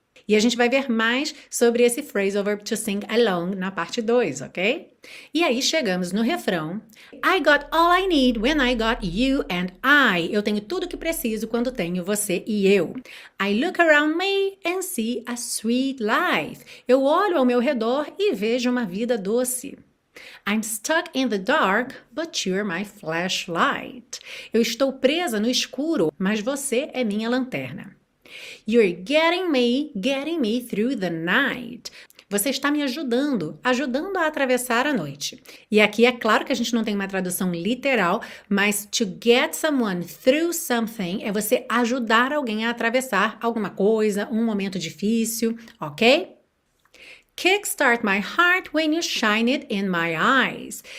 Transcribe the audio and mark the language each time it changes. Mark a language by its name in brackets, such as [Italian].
[Portuguese] E a gente vai ver mais sobre esse phrasal verb to sing along na parte 2, ok? E aí chegamos no refrão. [English] I got all I need when I got you and I. [Portuguese] Eu tenho tudo o que preciso quando tenho você e eu. [English] I look around me and see a sweet life. [Portuguese] Eu olho ao meu redor e vejo uma vida doce. [English] I'm stuck in the dark, but you're my flashlight. [Portuguese] Eu estou presa no escuro, mas você é minha lanterna. [English] You're getting me through the night. [Portuguese] Você está me ajudando, ajudando a atravessar a noite. E aqui é claro que a gente não tem uma tradução literal, mas [English] to get someone through something [Portuguese] é você ajudar alguém a atravessar alguma coisa, um momento difícil, ok? [English] Kickstart my heart when you shine it in my eyes.